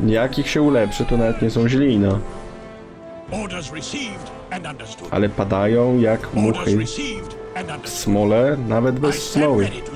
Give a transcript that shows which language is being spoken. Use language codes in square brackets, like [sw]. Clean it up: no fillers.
[pl] Jak ich się ulepszy, to nawet nie są źli, no. [en] Orders received and understood. [pl] Ale padają jak muchy w smole, nawet bez smoły.